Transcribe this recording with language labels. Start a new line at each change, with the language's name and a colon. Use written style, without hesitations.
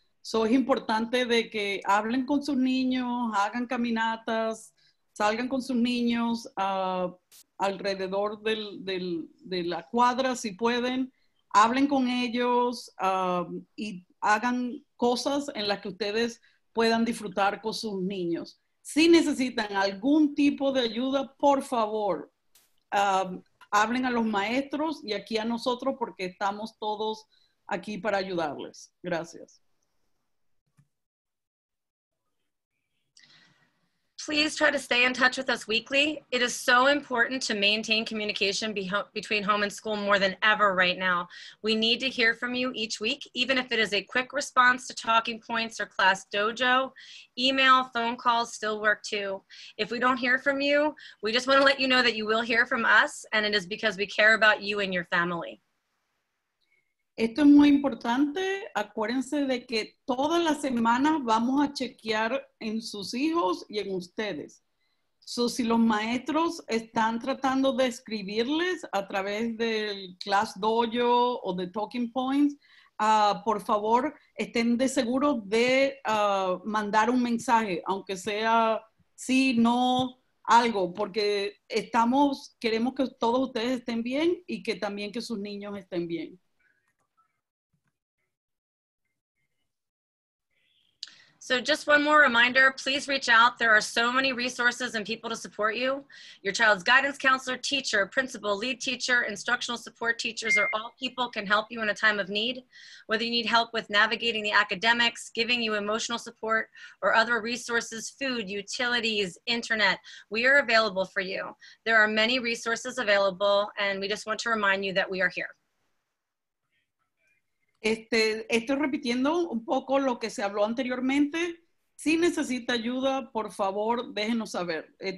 Spanish: So es importante de que hablen con sus niños, hagan caminatas, salgan con sus niños alrededor de la cuadra si pueden, hablen con ellos y hagan cosas en las que ustedes puedan disfrutar con sus niños. si necesitan algún tipo de ayuda, por favor, hablen a los maestros y aquí a nosotros porque estamos todos aquí para ayudarles. Gracias.
English: Please try to stay in touch with us weekly. It is so important to maintain communication between home and school more than ever right now. We need to hear from you each week, even if it is a quick response to talking points or class dojo. Email, phone calls still work too. If we don't hear from you, we just want to let you know that you will hear from us, and it is because we care about you and your family.
Spanish: Esto es muy importante. Acuérdense de que todas las semanas vamos a chequear en sus hijos y en ustedes. So, si los maestros están tratando de escribirles a través del Class Dojo o de Talking Points, por favor, estén de seguro de mandar un mensaje, aunque sea sí, no, algo, porque estamos, queremos que todos ustedes estén bien y que también que sus niños estén bien.
English: So just one more reminder, please reach out. There are so many resources and people to support you. Your child's guidance counselor, teacher, principal, lead teacher, instructional support teachers are all people can help you in a time of need. Whether you need help with navigating the academics, giving you emotional support, or other resources, food, utilities, internet, we are available for you. There are many resources available, and we just want to remind you that we are here.
Spanish: Estoy repitiendo un poco lo que se habló anteriormente. Si necesita ayuda, por favor, déjenos saber.